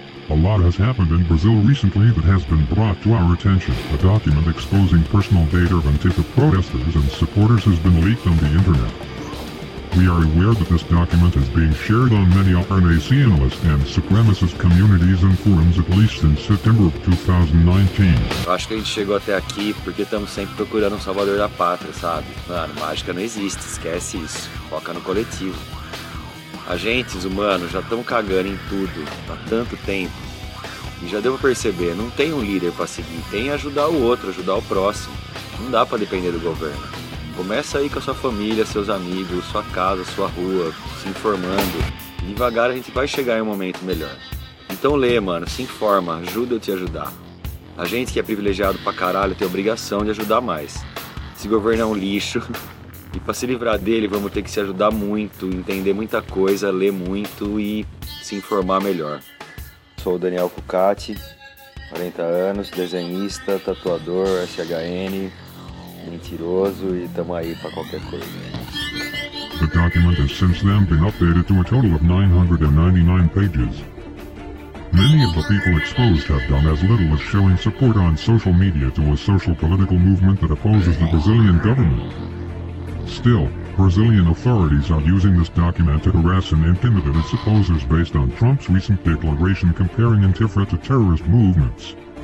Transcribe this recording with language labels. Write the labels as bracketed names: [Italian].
[English] A lot has happened in Brazil recently that has been brought to our attention. A document exposing personal data of Antifa protesters and supporters has been leaked on the internet. We are aware that this document is being shared on many RNACionalist and supremacist communities and forums at least since September of 2019. [Portuguese] Eu acho que a gente chegou até aqui porque estamos sempre procurando um salvador da pátria, sabe? Mano, mágica não existe, esquece isso. Foca no coletivo. A gente, os humanos, já estamos cagando em tudo há tanto tempo. E já deu pra perceber, não tem um líder pra seguir, tem ajudar o outro, ajudar o próximo. Não dá pra depender do governo. Começa aí com a sua família, seus amigos, sua casa, sua rua, se informando. E devagar a gente vai chegar em um momento melhor. Então lê, mano, se informa, ajuda eu te ajudar. A gente que é privilegiado pra caralho tem a obrigação de ajudar mais. Esse governo é um lixo. E pra se livrar dele, vamos ter que se ajudar muito, entender muita coisa, ler muito e se informar melhor. Sou o Daniel Cucati, 40 anos, desenhista, tatuador, SHN, mentiroso e tamo aí pra qualquer coisa. [English] The document has since then been updated to a total of 999 pages. Many of the people exposed have done as little as showing support on social media to a social political movement that opposes the Brazilian government. Still, Brazilian authorities are using this document to harass and intimidate its opposers based on Trump's recent declaration comparing Antifa to terrorist movements.